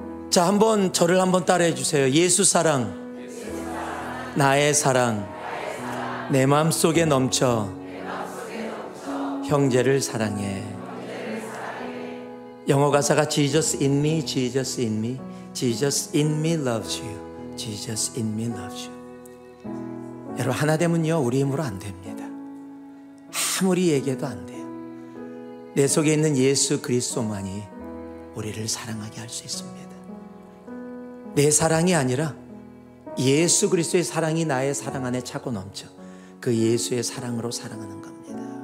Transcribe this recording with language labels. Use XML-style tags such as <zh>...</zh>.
<ko>자, 한번 저를 한번 따라해 주세요. 예수 사랑, 나의 사랑, 내 마음 속에 넘쳐 형제를 사랑해. 영어 가사가</ko> <en>Jesus in me, Jesus in me, Jesus in me loves you, Jesus in me loves you.</en> <ko>여러분 하나 되면요 우리 힘으로 안 됩니다. 아무리 얘기해도 안 돼요. 내 속에 있는 예수 그리스도만이 우리를 사랑하게 할 수 있습니다. 내 사랑이 아니라 예수 그리스도의 사랑이 나의 사랑 안에 차고 넘쳐 그 예수의 사랑으로 사랑하는 겁니다.</ko>